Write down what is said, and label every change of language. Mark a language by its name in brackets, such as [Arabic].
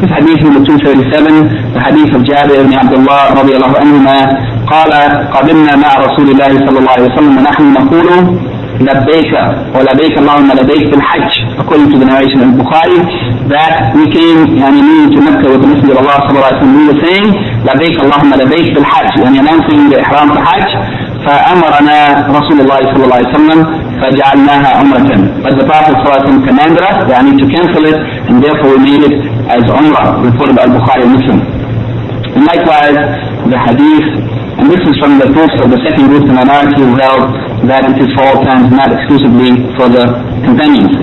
[English] This hadith number 237, the hadith of Jabir ibn Abdullah radiallahu anhu, [Arabic] قال قدمنا مع رسول الله صلى الله عليه وسلم ونحن نقول لبيك ولبيك اللهم لبيك في الحج, [English] according to the narration of Bukhari, that we came, [Arabic] يعني [English] meaning to Mecca with the Messenger of Allah صلى الله عليه وسلم, we were saying [Arabic] لبيك اللهم لبيك بالحج، يعني ينام في إحرام الحج، فأمرنا رسول الله صلى الله عليه وسلم فجعلناها عمرة. [English] But the Prophet صلى الله عليه وسلم commanded us, [Arabic] يعني [English] to cancel it, and therefore we made it as عمرة. Reported by Bukhari Muslim. And likewise, the hadith, and this is from the post of the second group, the minority who held that it is for all times, not exclusively for the companions.